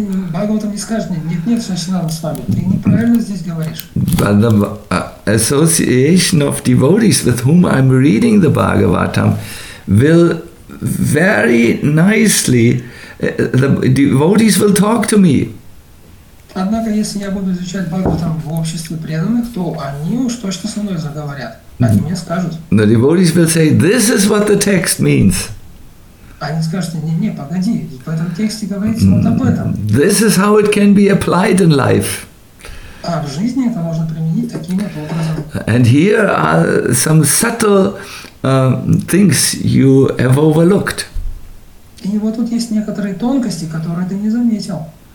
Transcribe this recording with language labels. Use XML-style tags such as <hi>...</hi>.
<ru>Бхагаватам не скажет мне, нет, Сачинанда Свами, ты неправильно здесь говоришь.</ru> <en>But the association of devotees with whom I'm reading the Bhagavatam will very nicely, the devotees will talk to me.</en> <ru>Однако, если я буду изучать Бхагаватам в обществе преданных, то они уж точно со мной заговорят. Они мне скажут.</ru> <en>The devotees will say, this is what the text means.</en> <ru>Они скажут, не, погоди, в этом тексте говорится вот об этом.</ru> <en>This is how it can be applied in life.</en> <ru>А в жизни это можно применить таким вот образом.</ru> <en>And here are some subtle things you have overlooked.</en> <ru>И вот тут есть некоторые тонкости, которые ты не заметил.</ru>